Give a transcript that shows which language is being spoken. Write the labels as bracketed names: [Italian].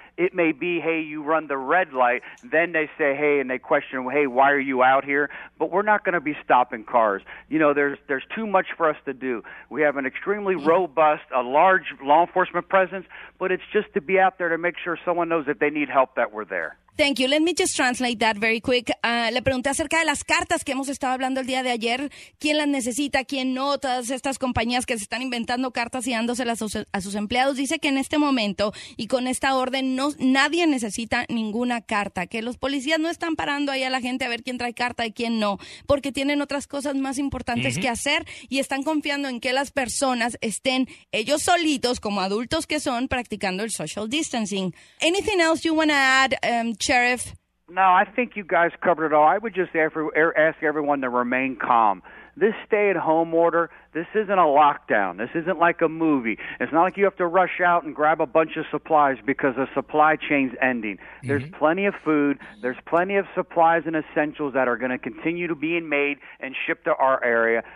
[English] It may be, hey, you run the red light. Then they say, hey, and they question, hey, why are you out here? But we're not going to be stopping cars. You know, there's too much for us to do. We have an extremely robust, a large law enforcement presence, but it's just to be out there to make sure someone knows that they need help, that we're there. Thank you. Let me just translate that very quick. [Spanish] Le pregunté acerca de las cartas que hemos estado hablando el día de ayer. ¿Quién las necesita? ¿Quién no? Todas estas compañías que se están inventando cartas y dándoselas a sus empleados. Dice que en este momento y con esta orden nadie necesita ninguna carta. Que los policías no están parando ahí a la gente a ver quién trae carta y quién no. Porque tienen otras cosas más importantes que hacer y están confiando en que las personas estén ellos solitos, como adultos que son, practicando el social distancing. [English] Anything else you want to add, Sheriff? No, I think you guys covered it all. I would just ask everyone to remain calm. This stay-at-home order, this isn't a lockdown. This isn't like a movie. It's not like you have to rush out and grab a bunch of supplies because the supply chain's ending. There's plenty of food. There's plenty of supplies and essentials that are going to continue to be made and shipped to our area.